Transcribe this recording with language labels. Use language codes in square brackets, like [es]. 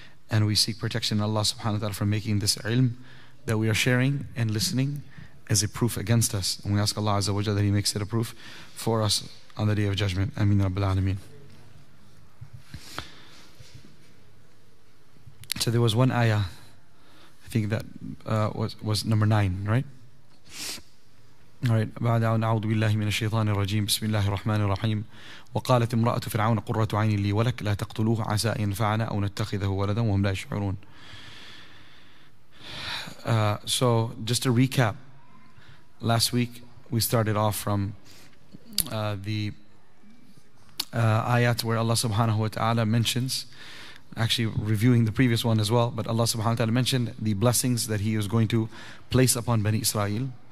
[en] And we seek protection in Allah subhanahu wa ta'ala from making this ilm that we are sharing and listening as a proof against us. And we ask Allah azza wa jalla that He makes it a proof for us on the Day of Judgment. Ameen Rabbil Alameen. So there was one ayah, I think that was number 9, right? Alright. [ar] بعد أن أعوذ بالله من الشيطان الرجيم بسم الله الرحمن الرحيم وقالت امرأة فرعون قرة عين لي ولك لا تقتلوه عسى ينفعنا أو نتخذه ولدا وهم لا يشعرون. [en] So just a recap. Last week we started off from the ayat where Allah subhanahu wa ta'ala mentions, actually reviewing the previous one as well, but Allah subhanahu wa ta'ala mentioned the blessings that He is going to place upon Bani Israel.